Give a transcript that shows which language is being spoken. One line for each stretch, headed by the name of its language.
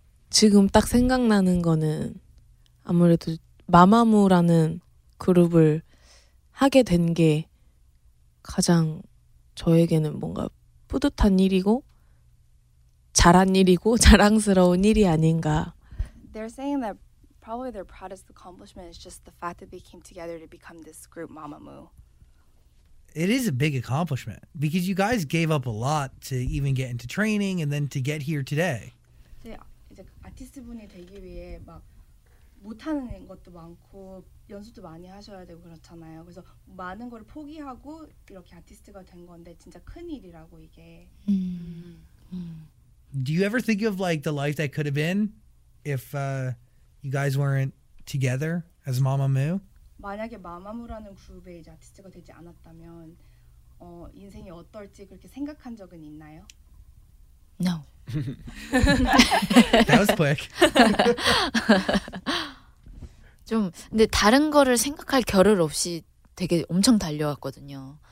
Korean: 지금 딱 생각나는 거는 아무래도 마마무라는 그룹을 하게 된 게 가장 저에게는 뭔가 뿌듯한 일이고 잘한 일이고 자랑스러운 일이 아닌가.
English: They're saying that probably their proudest accomplishment is just the fact that they came together to become this group Mamamoo. It is a big accomplishment because you guys gave up a lot to even get into training and then to get here today.
Korean: 이제 아티스트분이 되기 위해 막 못하는 것도 많고 연습도 많이 하셔야 되고 그렇잖아요. 그래서 많은 걸 포기하고 이렇게 아티스트가 된 건데 진짜 큰 일이라고 이게.
English: Do you ever think of like the life that could have been if you guys weren't together as Mamamoo?
Korean: 만약에 마마무라는 그룹에 이제 아티스트가 되지 않았다면 인생이 어떨지 그렇게 생각한 적은 있나요?
English: No. That was quick.
Korean: 좀 근데 다른 거를 생각할 겨를 없이 되게 엄청 달려왔거든요.